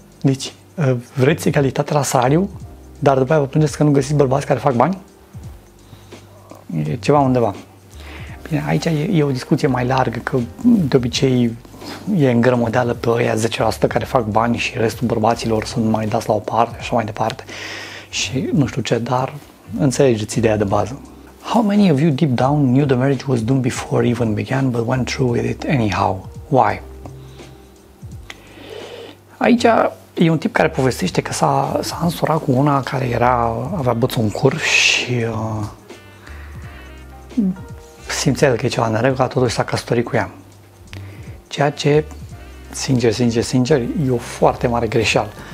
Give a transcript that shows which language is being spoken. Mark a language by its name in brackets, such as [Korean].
[Romanian] Deci, vreți egalitate la salariu, dar după aia vă plângeți că nu găsiți bărbați care fac bani? E ceva undeva. Bine, aici e o discuție mai largă, că de obicei e în grămădeală pe aia 10% care fac bani și restul bărbaților sunt mai dați la o parte, așa mai departe. Și nu știu ce, dar înțelegeți ideea de bază. [English] How many of you deep down knew the marriage was doomed before it even began, but went through with it anyhow? Why? [Romanian] Aici e un tip care povestește că s-a însurat cu una care avea bățul în cur și simțea că e ceva în regulă, totuși s-a căsătorit cu ea. Ceea ce, sincer, e o foarte mare greșeală.